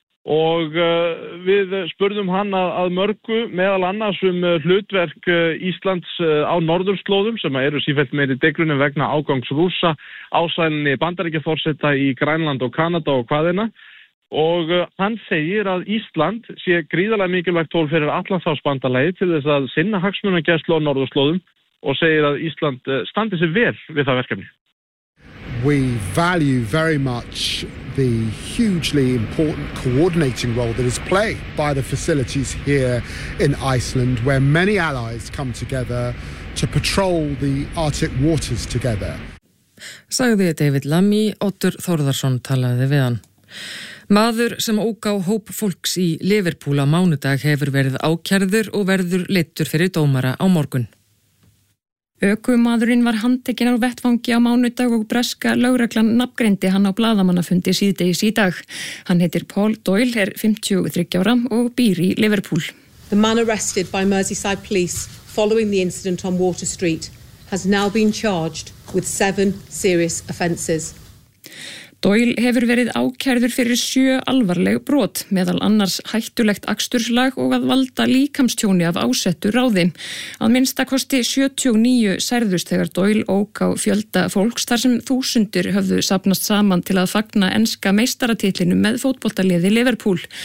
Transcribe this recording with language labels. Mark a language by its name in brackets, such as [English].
[Icelandic] Og við spurðum hann að mörgu meðal annars um hlutverk Íslands á norðurslóðum sem eru sífellt meiri deglunum vegna ágangs rúsa ásælinni bandaríkjaforseta í Grænland og Kanada og hvaðina. Og hann segir að Ísland sé gríðarlega mikilvægt tól fyrir Atlantshafsbandalagið til þess að sinna hagsmunagæslu á norðurslóðum. Og segir að Ísland standi sig vel við það verkefni. [English] We value very much the hugely important coordinating role that is played by the facilities here in Iceland where many allies come together to patrol the Arctic waters together. [Icelandic] Sagði David Lammy, Oddur Þórðarson talaði við hann. Maður sem ók á hóp fólks í Liverpool á mánudag hefur verið ákærður og verður leittur fyrir dómara á morgun. Ökumaðurinn var handtekinn á vettvangi á mánudag og breska lögreglan nafngreindi hann á blaðamannafundi síðdegis í dag. Hann heitir Paul Doyle, 53 ára og býr í Liverpool. [English] The man arrested by Merseyside police following the incident on Water Street has now been charged with 7 serious offences. [Icelandic] Doyle hefur verið ákærður fyrir 7 alvarleg brot, meðal annars hættulegt aksturslag og að valda líkamstjóni af ásettu ráði. Að minnsta kosti 79 særðust þegar Doyle ók á fjölda fólks þar sem þúsundir höfðu safnast saman til að fagna enska meistaratitlinu með fótboltaliði Liverpool.